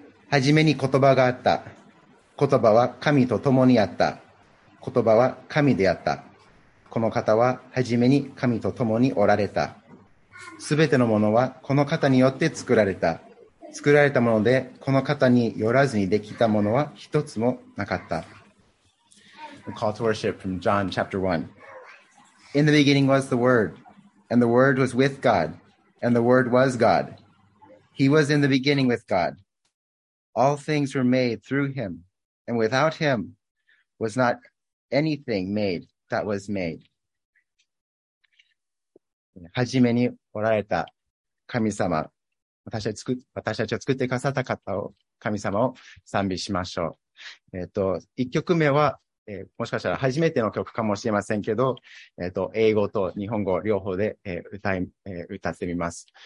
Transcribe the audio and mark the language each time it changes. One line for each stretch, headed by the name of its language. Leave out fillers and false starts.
Japanese: はじめに言葉があった。言葉は神と共にあった。言葉は神であった。この方ははじめに神と共におられた。すべてのものはこの方によって作られた。作られたものでこの方によらずにできたものは一つもなかった。
English: call to worship from John chapter 1. In the beginning was the Word, and the Word was with GodAnd the Word was God. He was in the beginning with God. All things were made through him, and without him was not anything made that was made.
Japanese: はじめにおられた神様、私たちを作ってくださった方を、神様を賛美しましょう。一曲目は、もしかしたら初めての曲かもしれませんけど、英語と日本語両方で、歌ってみます。